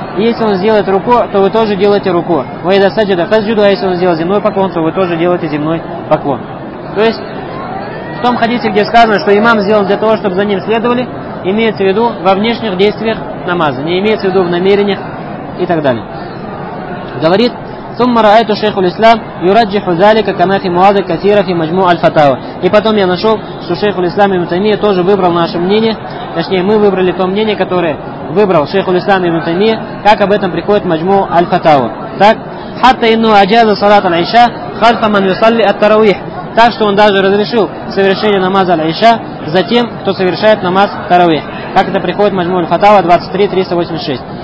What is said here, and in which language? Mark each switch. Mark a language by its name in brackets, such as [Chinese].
[Russian] Если он сделает руку, то вы тоже делаете руку. [Arabic] «Ваида саджада фасджуду». [Russian] А если он сделает земной поклон, то вы тоже делаете земной поклон. То есть в том хадисе, где сказано, что имам сделан для того, чтобы за ним следовали, имеется в виду во внешних действиях намаза, не имеется в виду в намерениях и так далее. Говорит, [Arabic] ثم رأيت شيخ الإسلام يرجح ذلك كما في مواضع كثيرة في مجموع الفتاوى. [Russian] И потом я нашел, что шейх ислам ибн Таймия тоже выбрал наше мнение, точнее мы выбрали то мнение, которое выбрал шейх ислам ибн Таймия, как об этом приходит مجموع الفتاوى. Так, [Arabic] حتى إنه أجاز صلاة العشاء خلف من يصلي التراويح. [Russian] Так что он даже разрешил совершение намаза аль-Иша за тем, кто совершает намаз таравих. Как это приходит в Маджму аль-Фатава 23.386.